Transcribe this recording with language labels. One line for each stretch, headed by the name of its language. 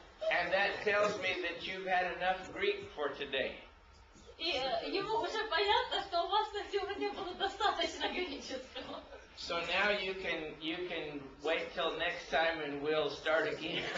English: And that tells me that you've had enough Greek for today.
Russian: И ему уже понятно, что у вас на сегодня было достаточно греческого.
English: So now you can wait till next time and we'll start again.